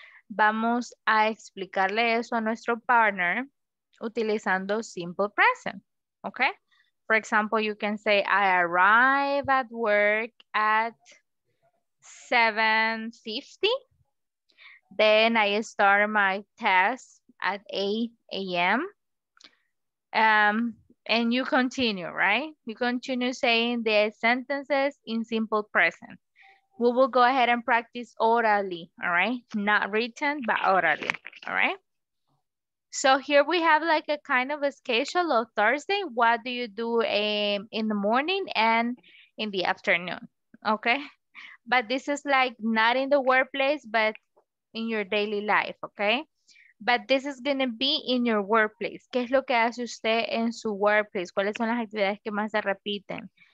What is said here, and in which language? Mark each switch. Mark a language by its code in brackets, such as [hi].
[es] Vamos a explicarle eso a nuestro partner utilizando simple present, ¿ok? [en] For example, you can say, I arrive at work at 7:50. Then I start my task at 8 a.m. And you continue, right? You continue saying the sentences in simple present. We will go ahead and practice orally, all right? Not written, but orally, all right? So here we have like a kind of a schedule of Thursday. What do you do in the morning and in the afternoon, okay? But this is like not in the workplace, but in your daily life, okay? But this is gonna be in your workplace. [es] ¿Qué es lo que hace usted en su workplace? ¿Cuáles son las actividades que más se repiten?